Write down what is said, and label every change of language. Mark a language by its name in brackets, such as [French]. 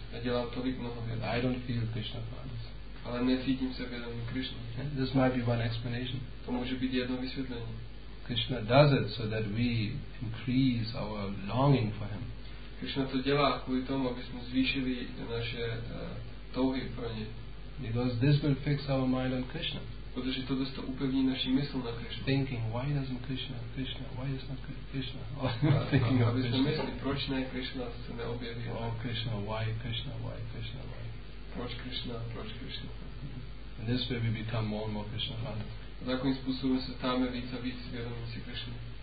[Czech] Já dělám tolik mnoho věcí. [English] I don't feel Krishna conscious. [Czech] Ale necítím se vědomí Krishna. [English] This might be one explanation. [Czech] To může být jedno vysvětlení. [English] Krishna does it so that we increase our longing for him. [Czech] Krishna to dělá kvůli tomu, aby jsme zvýšili naše touhy pro něj. [English] Because this will fix our mind on Krishna. [Czech] Protože to dosto upevní naši mysl na Krishna. [English] Thinking, why doesn't Krishna, Krishna, why is not Krishna? Thinking of Krishna. [Czech] Aby jsme mysli, proč ne Krishna se neobjeví. [English] Oh, Krishna, why Krishna, why Krishna, why Krishna? [Czech] Proč Krishna, proč Krishna? [English] And this way we become more and more Krishna conscious. [Czech] Takovým způsobem se stáváme víc a víc vědomí si Krishna.